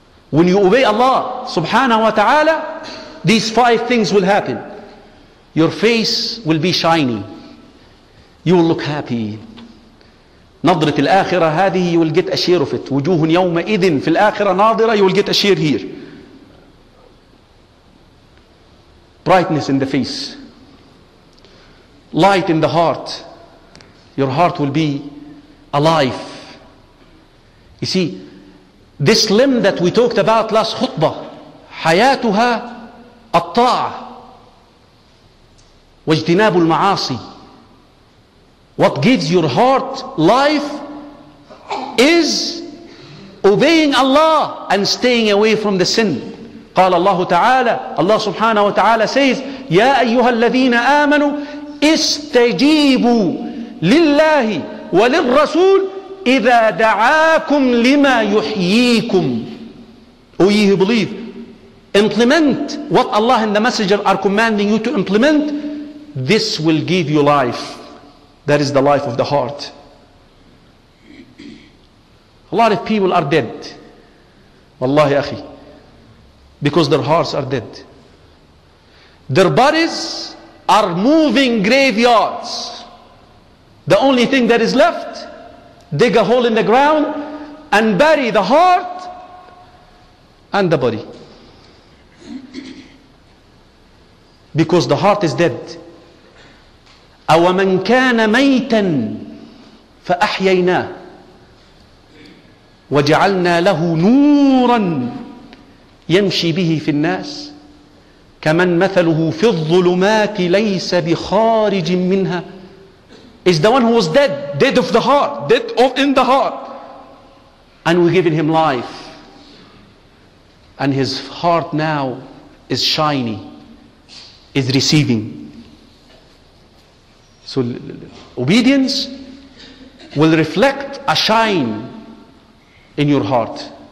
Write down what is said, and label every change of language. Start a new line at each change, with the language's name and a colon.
English: When you obey Allah سبحانه وتعالى, these five things will happen. Your face will be shiny. You will look happy.
Arabic: نظرة الآخرة هذه,
English: you will get a share of it.
Arabic: وجوه يومئذ في الآخرة ناظرة,
English: you will get a share here. Brightness in the face, light in the heart, your heart will be alive. You see, this limb that we talked about last khutbah,
Arabic: حياتها الطاعة واجتناب المعاصي.
English: What gives your heart life is obeying Allah and staying away from the sin.
Arabic: قال الله تعالى, الله سبحانه وتعالى
English: says,
Arabic: يا أيها الذين آمنوا استجيبوا لله وللرسول إذا دعاكم لما يحييكم.
English: O ye who believe, implement what Allah and the Messenger are commanding you to implement. This will give you life. That is the life of the heart. A lot of people are dead.
Arabic: والله يا أخي,
English: because their hearts are dead. Their bodies are moving graveyards. The only thing that is left, dig a hole in the ground and bury the heart and the body. Because the heart is dead.
Arabic: أَوَمَنْ كَانَ مَيْتًا فَأَحْيَيْنَاهُ وَجَعَلْنَا لَهُ نُورًا يمشي به في الناس كمن مثله في الظلمات ليس بخارج منها.
English: Is the one who was dead, dead of the heart, dead of in the heart, and we're giving him life, and his heart now is shiny, is receiving. So obedience will reflect a shine in your heart.